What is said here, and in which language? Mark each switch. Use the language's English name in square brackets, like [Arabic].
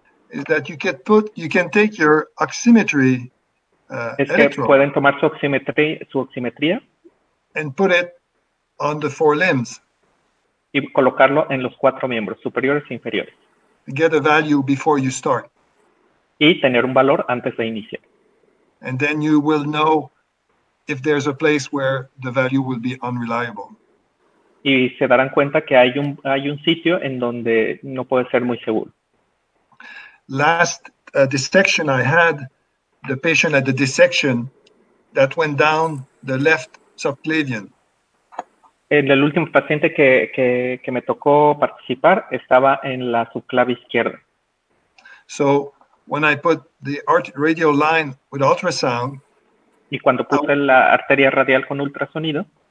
[English] is that you can take your oximetry [Spanish] es que pueden tomar su oximetría [English] and put it on the four limbs [Spanish] y colocarlo en los cuatro miembros superiores e inferiores. [English] Get a value before you start. [Spanish] Y tener un valor antes de iniciar. [English] And then you will know if there's a place where the value will be unreliable. [Spanish] Y se darán cuenta que hay un sitio en donde no puede ser muy seguro. [English] Last dissection I had, the patient had the dissection that went down the left subclavian. [Spanish] En el último paciente que me tocó participar estaba en la subclavia izquierda. [English] So when I put the radial line with ultrasound, [Spanish] y cuando puse la arteria radial con ultrasonido,